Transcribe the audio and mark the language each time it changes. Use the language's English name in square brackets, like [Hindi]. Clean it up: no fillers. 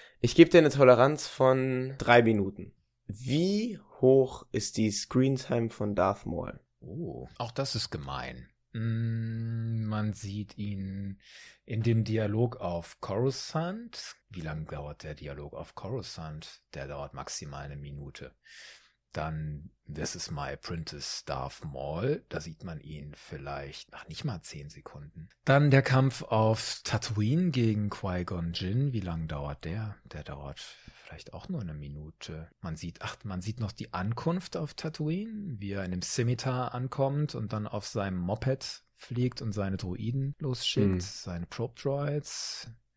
[German] Ich gebe dir eine Toleranz von 3 Minuten. Wie hoch ist die Screentime von Darth Maul? Oh, auch das ist gemein. Man sieht ihn in dem Dialog auf Coruscant. Wie lange dauert der Dialog auf Coruscant? Der dauert maximal eine Minute. Dann, [English] this is my apprentice Darth Maul. [German] Da sieht man ihn vielleicht nach nicht mal 10 Sekunden. Dann der Kampf auf Tatooine gegen Qui-Gon Jinn. Wie lange dauert der? Der dauert vielleicht auch nur eine Minute. Man sieht noch die Ankunft auf Tatooine, wie er in dem Scimitar ankommt und dann auf seinem Moped fliegt und seine Droiden losschickt, seine Probe Droids.